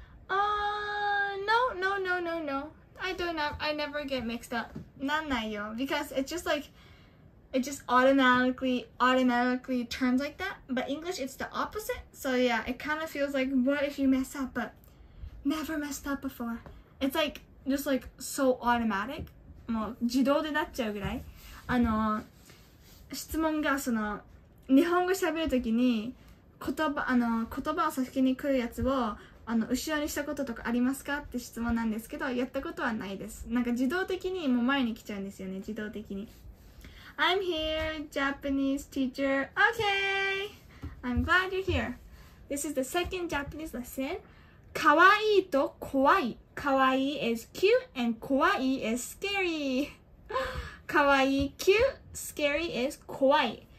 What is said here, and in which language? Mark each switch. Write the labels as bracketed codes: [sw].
[en] No. I never get mixed up. [ja] なんないよ. [en] Because it's just like, it just automatically turns like that. But English, it's the opposite. So yeah, it kind of feels like, what if you mess up? But never messed up before. It's like, just like, so automatic. [ja] もう自動でなっちゃうぐらい.質問がその日本語喋るときに言葉を先に来るやつを後ろにしたこととかありますかって質問なんですけど、やったことはないです。なんか自動的にもう前に来ちゃうんですよね、自動的に。 [en] I'm here, Japanese teacher. Okay! I'm glad you're here. This is the second Japanese lesson. Kawaii to kowai. Kawaii is cute and kowai is scary. Kawaii, cute. Scary is kowai.